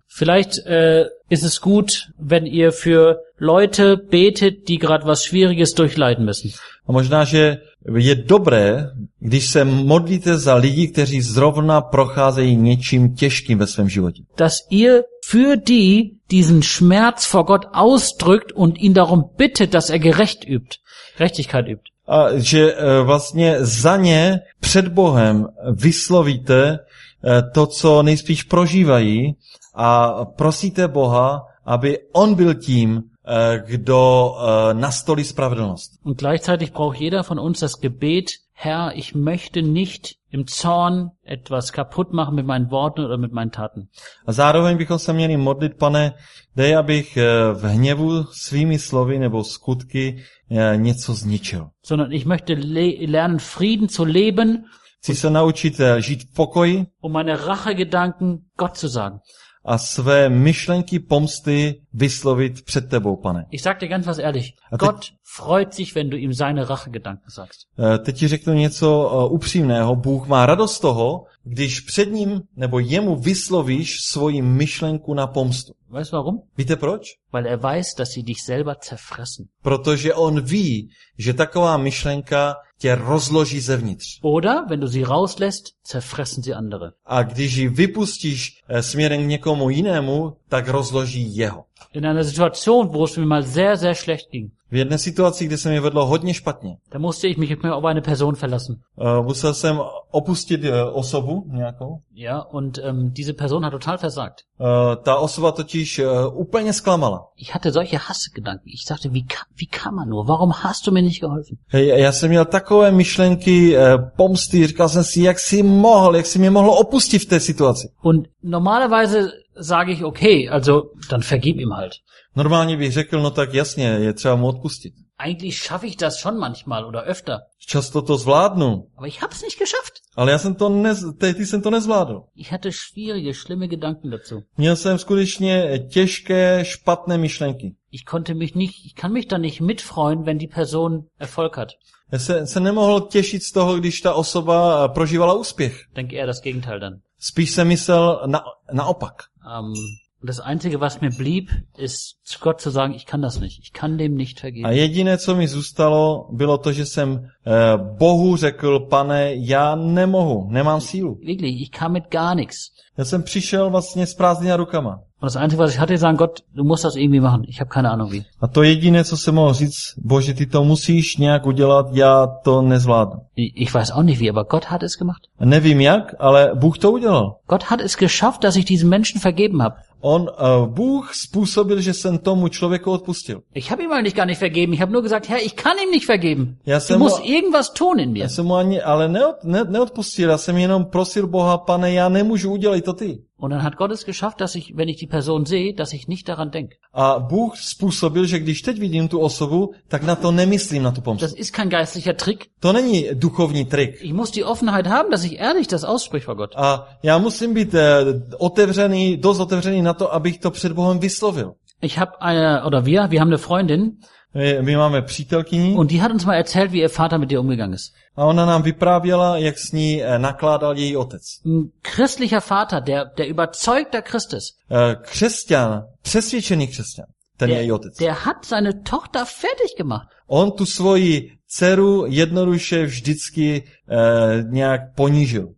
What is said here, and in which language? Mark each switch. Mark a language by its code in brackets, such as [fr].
[de] Vielleicht ist es gut, wenn ihr für Leute betet, die gerade was Schwieriges durchleiden müssen. [cs] A možná, že je dobré, když se modlíte za lidi, kteří zrovna procházejí něčím těžkým ve svém životě. [de] Dass ihr für die diesen Schmerz vor Gott ausdrückt und ihn darum bittet, dass er Gerechtigkeit übt. [cs] A že vlastně za ně před Bohem vyslovíte to, co nejspíš prožívají, a prosíte Boha, aby on byl tím, kdo nastolí spravedlnost. [de] Und gleichzeitig braucht jeder von uns das Gebet, Herr, ich möchte nicht im Zorn etwas kaputt machen mit meinen Worten oder mit meinen Taten. [cs] A zároveň bychom se měli modlit, Pane, dej, abych v hněvu svými slovy nebo skutky něco zničil. [de] Sondern ich möchte lernen, Frieden zu leben. [cs] Chci se naučit žít v pokoji. [de] Um meine Rachegedanken Gott zu sagen. [cs] A své myšlenky pomsty vyslovit před tebou, Pane. [de] Ich sag dir ganz was ehrlich. Gott freut sich, wenn du ihm seine Rachegedanken sagst. [cs] Teď ti řeknu něco upřímného. Bůh má radost toho, když před ním nebo jemu vyslovíš svoji myšlenku na pomstu. [de] Weißt du warum? [cs] Víte proč? [de] Weil er weiß, dass sie dich selber zerfressen. [cs] Protože on ví, že taková myšlenka tě rozloží zevnitř. [de] Oder wenn du sie rauslässt, zerfressen sie andere. [cs] A když ji vypustíš směrem k někomu jinému, tak rozloží jeho. [de] In einer Situation, wo es mir mal sehr, sehr schlecht ging. [cs] V jedné situaci, kde se mi vedlo hodně špatně. [de] Da musste ich mich auf eine Person verlassen. [cs] Musel jsem opustit osobu nějakou. [de] Ja, und diese Person hat total versagt. [cs] Ta osoba totiž úplně zklamala. [de] Ich hatte solche Hassgedanken. Ich dachte, wie kann man nur? Warum hast du mir nicht geholfen? [cs] Já jsem měl takové myšlenky pomsty. Říkal jsem si, jak jsi mě mohl opustit v té situaci. [de] Und normalerweise sage ich okay, also dann vergib ihm halt. [cs] Normálně bych řekl, no tak jasně, je třeba mu pustit. [de] Eigentlich schaffe ich das schon manchmal oder öfter. [cs] Často to zvládnu. [de] Aber ich hab's nicht geschafft. [cs] Ale já jsem to nezvládl. [de] Ich hatte schwierige, schlimme Gedanken dazu. [cs] Měl jsem skutečně těžké, špatné myšlenky. [de] Ich kann mich da nicht mitfreuen, wenn die Person Erfolg hat. [cs] Já se nemohl těšit z toho, když ta osoba prožívala úspěch. [de] Denk eher das Gegenteil dann. [cs] Spíš jsem myslel naopak. [de] Das einzige, was mir blieb, ist zu Gott zu sagen, ich kann das nicht. Ich kann dem nicht vergeben. [cs] A jediné, co mi zůstalo, bylo to, že jsem Bohu řekl, pane, já nemohu, nemám sílu. [de] Wirklich, ich kam mit gar nichts. [cs] Já jsem přišel vlastně s prázdnýma rukama. [de] Und das einzige, was ich hatte, sagen, Gott, du musst das irgendwie machen. Ich habe keine Ahnung wie. [cs] A to jediné, co jsem mohl říct, Bože, ty to musíš nějak udělat, já to nezvládnu. [de] Ich weiß auch nicht wie, aber Gott hat es gemacht. [cs] A nevím jak, ale Bůh to udělal. [de] Gott hat es geschafft, dass ich diesen Menschen vergeben habe. [cs] On Bůh způsobil, že jsem tomu člověku odpustil. [de] Ich habe ihm eigentlich gar nicht vergeben. Ich habe nur gesagt, Herr, ich kann ihm nicht vergeben. Du musst irgendwas tun in mir. [cs] Já jsem mu ani, ale neodpustil. Já jsem jenom prosil Boha, pane, já nemůžu udělat to ty. [de] Und dann hat Gott es geschafft, dass ich, wenn ich die Person sehe, dass ich nicht daran denke. [cs] A Bůh způsobil, že když teď vidím tu osobu, tak na to nemyslím, na tu pomstu. [de] Das ist kein geistlicher Trick. [cs] To není duchovní trik. [de] Ich muss die Offenheit haben, dass ich ehrlich das ausspreche vor Gott. [cs] A já musím být otevřený, dost otevřený na to, abych to před Bohem vyslovil. [de] Ich habe eine, oder wir haben eine Freundin. [cs] My máme přítelkyni. [de] Und die hat uns mal erzählt, wie ihr Vater mit ihr umgegangen ist. [cs] A ona nám vyprávěla, jak s ní nakládal její otec. [de] Christlicher Vater, der überzeugter Christ ist. [cs] Křesťan, přesvědčený křesťan, ten [de] der, [cs] její otec. [de] Der hat seine Tochter fertig gemacht. [cs] On tu svoji dceru jednoduše vždycky nějak ponížil.